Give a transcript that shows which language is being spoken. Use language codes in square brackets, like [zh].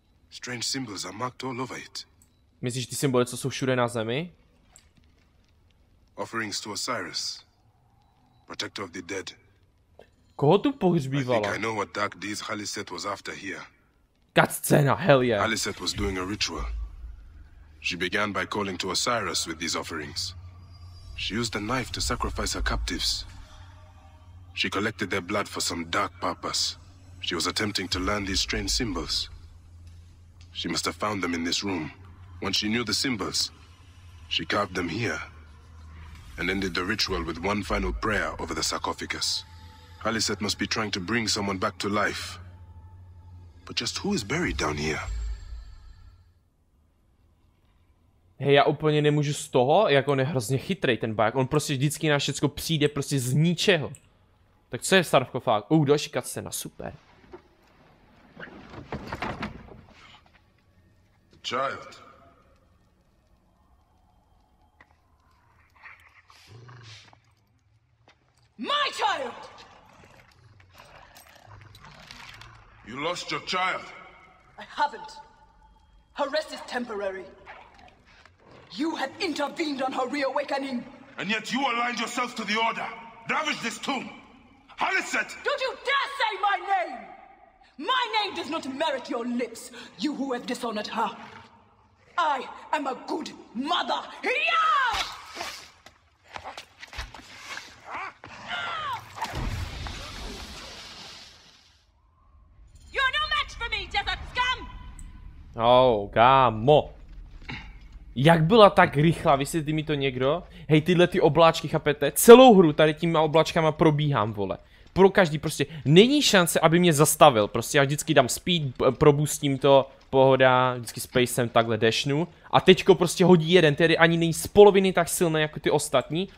[en] Strange symbols are marked all over it. [cs] Myslíš ty symboly, co jsou všude na zemi? [en] Offerings to Osiris, protector of the dead. [cs] Koho tu pohřbívala? [en] I think I know what dark deeds Haliseth was after here. Cutscene, hell yeah. Haliseth was doing a ritual. She began by calling to Osiris with these offerings. She used a knife to sacrifice her captives. She collected their blood for some dark purpose. She was attempting to learn these strange symbols. She must have found them in this room. When she knew the symbols, she carved them here and ended the ritual with one final prayer over the sarcophagus. Haliseth must be trying to bring someone back to life. But just who is buried down here? [cs] Hej, já úplně nemůžu z toho, jak on je hrozně chytrý ten bajak. On prostě vždycky na všecko přijde prostě z ničeho. Tak co je sarkofág? Další cutscena, super. [en] Child. My child. You lost your child. I haven't. Her rest is temporary. You have intervened on her reawakening. And yet you aligned yourself to the order. Ravage this tomb. Haliseth. Don't you dare say my name. My name does not merit your lips, you who have dishonored her. I am a good mother. Hiyah! You're no match for me, desert scum! [cs] Oh, kámo. Jak byla tak rychlá, vysvětlí mi to někdo? Hej, tyhle ty obláčky, chápete? Celou hru tady těma obláčkama probíhám, vole. Pro každý prostě. Není šance, aby mě zastavil. Prostě já vždycky dám speed, probustím to. Pohoda, vždycky spacem takhle dešnu. A teďko prostě hodí jeden, tedy ani není z poloviny tak silný jako ty ostatní.